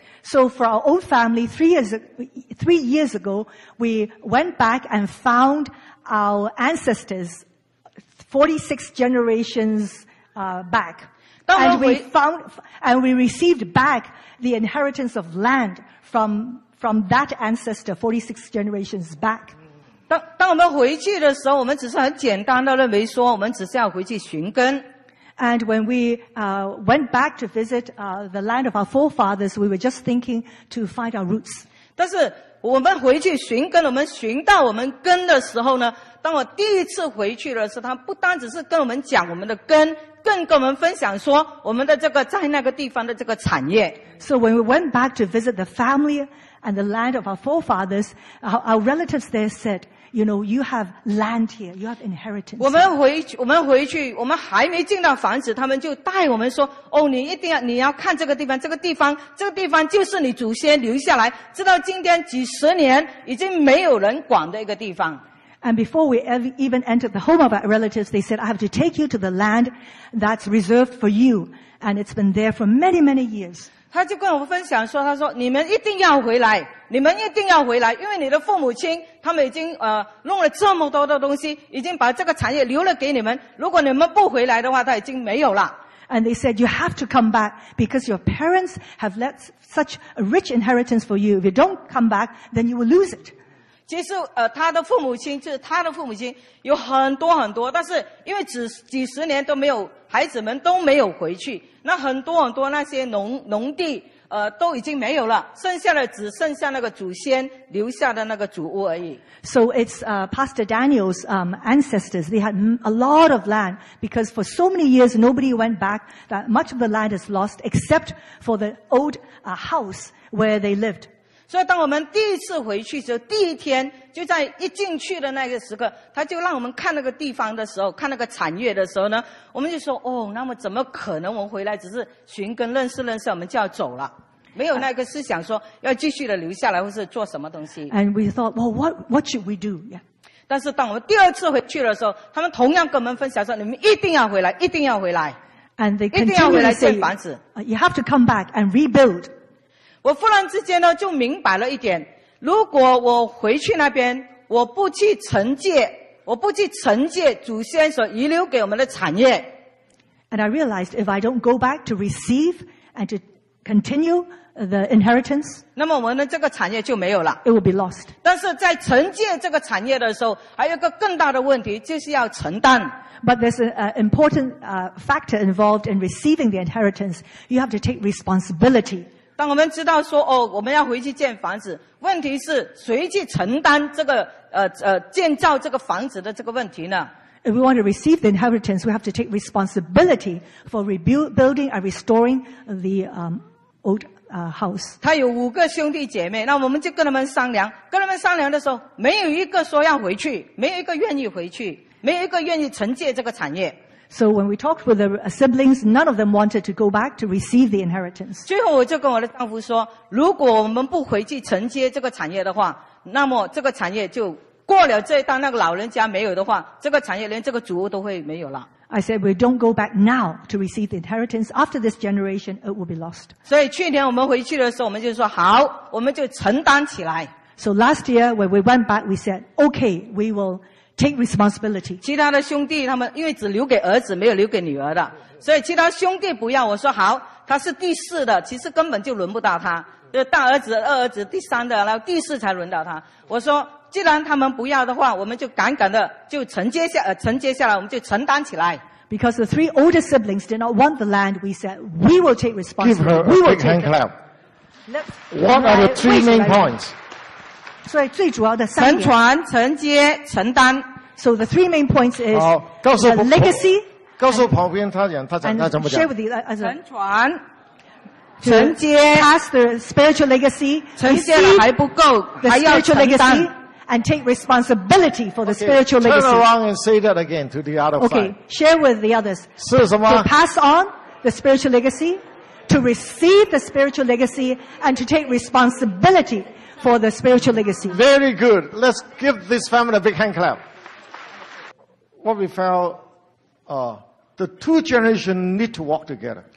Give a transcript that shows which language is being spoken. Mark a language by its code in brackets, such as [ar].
[en] So for our old family, three years ago, we went back and found our ancestors, 46 generations back. And we received back the inheritance of land from that ancestor, 46 generations back. [zh] 当我们回去的时候，我们只是很简单的认为说，我们只是要回去寻根。 [en] And when we went back to visit the land of our forefathers, we were just thinking to find our roots. [zh] 但是我们回去寻根，我们寻到我们根的时候呢，当我第一次回去的时候，他不单只是跟我们讲我们的根，更跟我们分享说我们的这个在那个地方的这个产业。 [en] So when we went back to visit the family and the land of our forefathers, our relatives there said,You know, you have land here, you have inheritance. [zh] 我们回去，我们还没进到房子，他们就带我们说，哦，你要看这个地方就是你祖先留下来，直到今天几十年已经没有人管的一个地方。 [en] And before we even entered the home of our relatives, they said, I have to take you to the land that's reserved for you. And it's been there for many, many years. [zh] 他就跟我分享说，他说你们一定要回来，你们一定要回来，因为你的父母亲他们已经弄了这么多的东西，已经把这个产业留了给你们，如果你们不回来的话，他已经没有了。 [en] And they said, you have to come back because your parents have left such a rich inheritance for you. If you don't come back, then you will lose it. [zh] 其实他的父母亲，就是他的父母亲有很多很多，但是因为几十年都没有，孩子们都没有回去。那很多很多那些农地都已经没有了，剩下的只剩下那个祖先留下的那个祖屋而已。 [en] So it's Pastor Daniel's ancestors. They had a lot of land because for so many years nobody went back. That much of the land is lost except for the old house where they lived. [zh] 所以当我们第一次回去的时候，第一天就在一进去的那个时刻，他就让我们看那个地方的时候，看那个产业的时候呢，我们就说，哦，那么怎么可能我们回来只是寻根认识认识，我们就要走了，没有那个思想说要继续的留下来或是做什么东西。 [en] And we thought, well, what should we do? Yeah. [zh] 但是当我们第二次回去的时候，他们同样跟我们分享说，你们一定要回来，一定要回来。 [en] And they continually say, you have to come back and rebuild. [zh] 我忽然之间呢就明白了一点，如果我回去那边，我不去承接祖先所遗留给我们的产业。 [en] And I realized if I don't go back to receive and to continue the inheritance, [zh] 那么我们的这个产业就没有了。 [en] It will be lost. [zh] 但是在承接这个产业的时候，还有一个更大的问题，就是要承担。 [en] But there's an important factor involved in receiving the inheritance. You have to take responsibility. [zh] 当我们知道说哦，我们要回去建房子，问题是谁去承担这个建造这个房子的这个问题呢 [en] ？If we want to receive the inheritance, we have to take responsibility for rebuilding and restoring the old house. [zh] 他有五个兄弟姐妹，那我们就跟他们商量，跟他们商量的时候，没有一个说要回去，没有一个愿意回去，没有一个愿意承接这个产业。 [en] So when we talked with the siblings, none of them wanted to go back to receive the inheritance. [zh] 最后我就跟我的丈夫说，如果我们不回去承接这个产业的话，那么这个产业就过了这一代，那个老人家没有的话，这个产业连这个祖屋都会没有了。 [en] I said, we don't go back now to receive the inheritance. After this generation, it will be lost. [zh] 所以去年我们回去的时候，我们就说好，我们就承担起来。 [en] So last year, when we went back, we said, okay, we will... Take responsibility. [zh] 其他的兄弟他们因为只留给儿子没有留给女儿的，所以其他兄弟不要，我说好，他是第四的，其实根本就轮不到他，就大儿子二儿子第三的，然后第四才轮到他。我说既然他们不要的话，我们就赶紧的就承接下来，我们就承担起来。 [en] Because the three older siblings did not want the land, we said we will take responsibility. Give her a big hand clap. What are the three main points? [zh] 所以最主要的三点，承传、承接、承担。 [en] So the three main points is the legacy. [zh] 告诉旁边他讲他怎么讲。 [en] Share with you, [zh] 承传、承接。 [en] Pass the spiritual legacy. [zh] 承接了还不够，还要承担。 [en] and take responsibility for the spiritual legacy. Turn around and say that again to the other five. Share with the others. [zh] 是什么? [en] To pass on the spiritual legacy, to receive the spiritual legacy, and to take responsibility for the spiritual legacy. Very good. Let's give this family a big hand clap. What we felt, the two generations need to walk together.